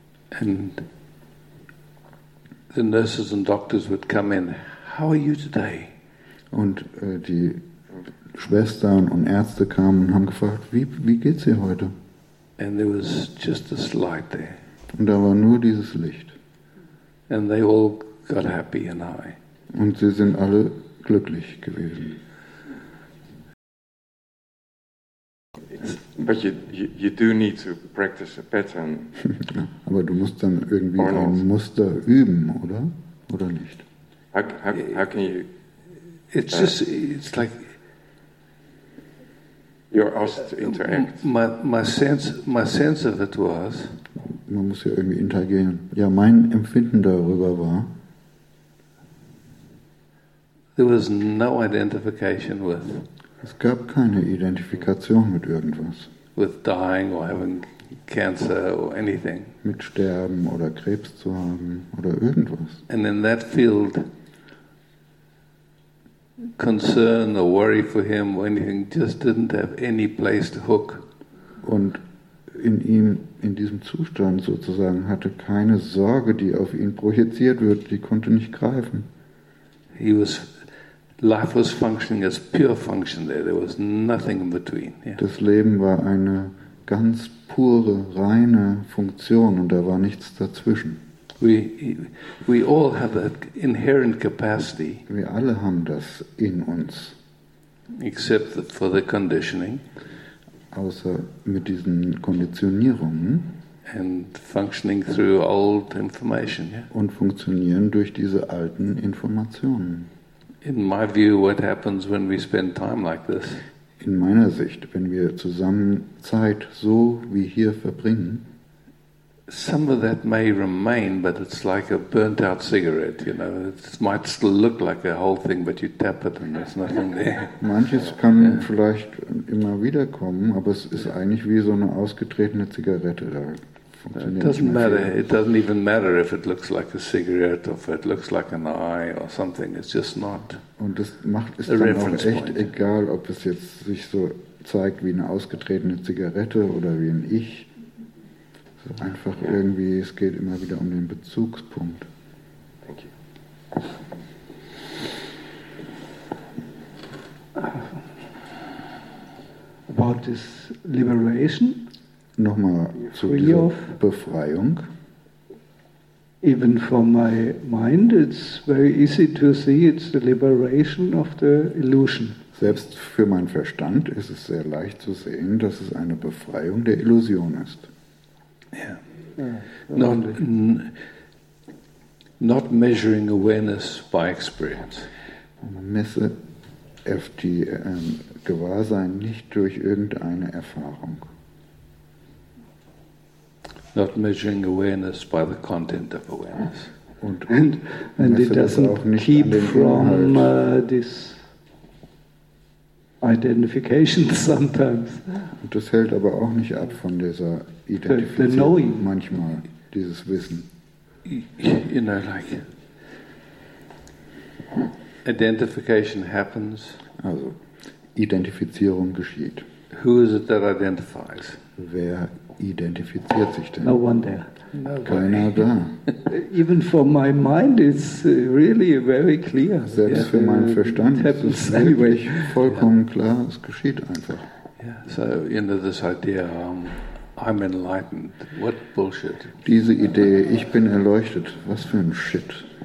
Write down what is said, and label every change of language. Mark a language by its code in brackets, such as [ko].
[en] And the nurses and doctors would come in. How are you today? [de] Und die Schwestern und Ärzte kamen und haben gefragt, wie geht's dir heute? [en] And there was just this light there. [de] Und da war nur dieses Licht. [en] And they all got happy and high. [de] Und sie sind alle glücklich gewesen. [en] But you do need to practice a pattern. [de] Aber du musst dann irgendwie ein Muster üben, oder? Oder nicht? [en] How can you? It's just, it's like you're asked to interact. My sense of it was. [de] Man muss ja irgendwie interagieren. Ja, mein Empfinden darüber war, [en] there was no identification with, [de] es gab keine Identifikation mit irgendwas. [en] With dying or having cancer or anything. [de] Mit Sterben oder Krebs zu haben oder irgendwas. [en] And in that field, concern or worry for him or anything just didn't have any place to hook. [de] Und in ihm, in diesem Zustand sozusagen, hatte keine Sorge, die auf ihn projiziert wird, die konnte nicht greifen. [en] Life was functioning as pure function there. There was nothing in between. Yeah. [de] Das Leben war eine ganz pure, reine Funktion und da war nichts dazwischen. [en] We all have that inherent capacity. [de] Wir alle haben das in uns. [en] Except for the conditioning. [de] außer mit diesen Konditionierungen. [en] And functioning through old information, yeah? [de] Und funktionieren durch diese alten Informationen. [en] In my view, what happens when we spend time like this? [de] In meiner Sicht, wenn wir zusammen Zeit so wie hier verbringen, [en] some of that may remain, but it's like a burnt-out cigarette, you know. It might still look like a whole thing, but you tap it and there's nothing there. [de] Manches kann vielleicht immer wieder kommen, aber es ist eigentlich wie so eine ausgetretene Zigarette da. [en] It doesn't even matter if it looks like a cigarette or if it looks like an eye or something. It's just not. [de] Und das macht es dann auch echt egal, ob es jetzt sich so zeigt wie eine ausgetretene Zigarette oder wie ein Ich. So einfach irgendwie, es geht immer wieder um den Bezugspunkt. [en] Thank you. About this liberation. [de] Nochmal zu dieser Befreiung. [en] Even for my mind, it's very easy to see it's the liberation of the illusion. [de] Selbst für meinen Verstand ist es sehr leicht zu sehen, dass es eine Befreiung der Illusion ist. [en] Yeah. Yeah. Not measuring awareness by experience. [de] Man messe die Gewahrsein nicht durch irgendeine Erfahrung. [en] Not measuring awareness by the content of awareness. And it doesn't keep from this identification sometimes. [de] Und das hält aber auch nicht ab von dieser Identifizierung. [en] The knowing. [de] Manchmal dieses Wissen. [en] You know, like identification happens. [de] Also Identifizierung geschieht. [en] Who is it that identifies? [de] Wer identifiziert sich denn? [en] No one there. [de] Keiner da. [en] Even for my mind it's really very clear. [de] Selbst für meinen Verstand ist es wirklich vollkommen klar, es geschieht einfach. [en] Yeah. So, you know, this idea, I'm enlightened. What bullshit? [de] Diese Idee, ich bin erleuchtet, was für ein Shit.